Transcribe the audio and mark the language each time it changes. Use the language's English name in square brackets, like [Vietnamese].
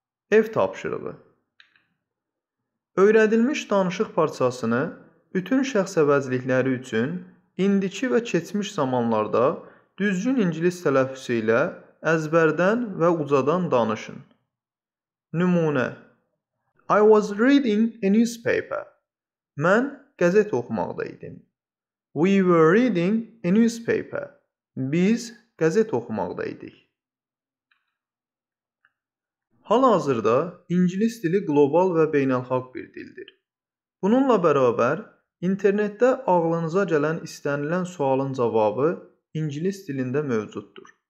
[Azerbaijani] Ev tapşırığı. Öyrədilmiş danışıq parçasını bütün şəxs əvəzlikləri üçün indiki və keçmiş zamanlarda düzgün ingilis tələffüsü ilə əzbərdən və ucadan danışın. Nümunə. [English] I was reading a newspaper. [Azerbaijani] Mən qəzet oxumaqda idim. [English] We were reading a newspaper. [Azerbaijani] Biz qəzet oxumaqda idik. Hal-hazırda ingilis dili qlobal və beynəlxalq bir dildir. Bununla bərabər, internetdə ağlınıza gələn istənilən sualın cavabı ingilis dilində mövcuddur.